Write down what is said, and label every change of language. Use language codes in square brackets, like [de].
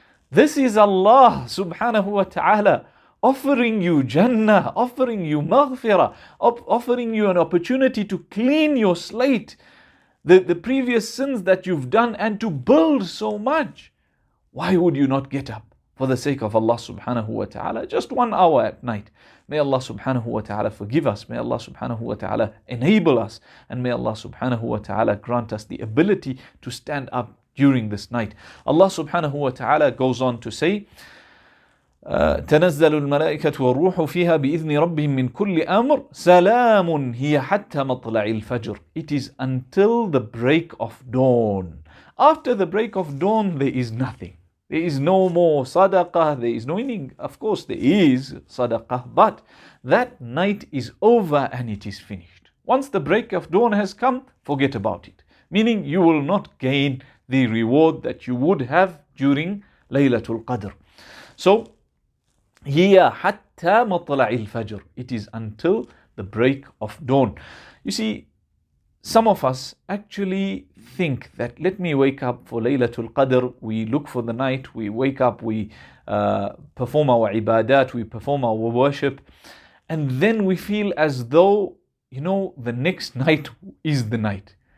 [en] This is Allah subhanahu wa ta'ala offering you Jannah, offering you Maghfirah, offering you an opportunity to clean your slate, the previous sins that you've done, and to build so much. Why would you not get up for the sake of Allah subhanahu wa ta'ala, just 1 hour at night? May Allah subhanahu wa ta'ala forgive us. May Allah subhanahu wa ta'ala enable us. And may Allah subhanahu wa ta'ala grant us the ability to stand up during this night. Allah subhanahu wa ta'ala goes on to say, [ar] تنزل الملائكة والروح فيها بإذن ربهم من كل أمر سلام هي حتى مطلع الفجر. [en] It is until the break of dawn. After the break of dawn, there is nothing. There is no more sadaqah, there is no meaning. Of course, there is sadaqah, but that night is over and it is finished. Once the break of dawn has come, forget about it. Meaning you will not gain the reward that you would have during Laylatul Qadr. [ar] So, هِيَ حَتَّى مَطْلَعِ الْفَجْرِ. [en] It is until the break of dawn. You see, some of us actually think that let me wake up for Laylatul Qadr, we look for the night, we wake up, we perform our ibadat, we perform our worship, and then we feel as though, you know, the next night is the night.